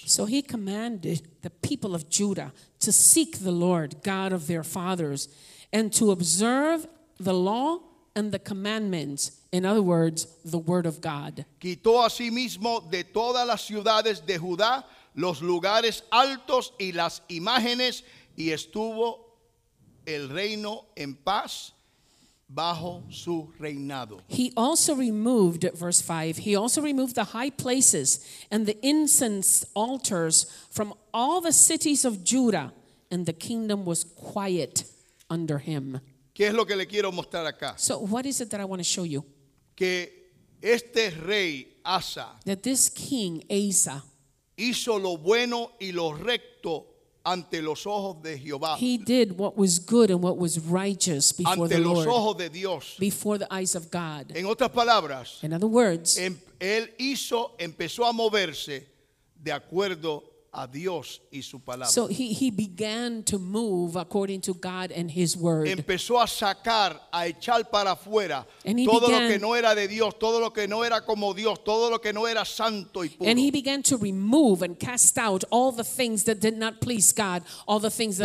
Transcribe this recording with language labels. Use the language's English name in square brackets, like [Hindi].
[English] So he commanded the people of Judah to seek the Lord, God of their fathers, and to observe the law and the commandments, in other words, the word of God. [Spanish] Quitó asimismo de todas las ciudades de Judá los lugares altos y las imágenes, y estuvo el reino en paz bajo su reinado. [English] He also removed, verse 5, he also removed the high places and the incense altars from all the cities of Judah, and the kingdom was quiet under him. [Spanish] ¿Qué es lo que le quiero mostrar acá? [English] So what is it that I want to show you? [Spanish] Que este rey Asa, [English] that this king Asa, [Spanish] hizo lo bueno y lo recto ante los ojos de Jehová. [English] He did what was good and what was righteous before [Spanish] ante [English] the Lord. [Spanish] Ante los ojos de Dios. [English] Before the eyes of God. [Spanish] En otras palabras, [English] in other words, [Spanish] él hizo, empezó a moverse de acuerdo a Dios y su palabra. [English] So he began to move according to God and his word. [Spanish] Empezó a sacar, a echar para afuera todo lo que no era de Dios, todo lo que no era como Dios, todo lo que no era santo y puro. [English] And he began to remove and cast out all the things that did not please God, all the things that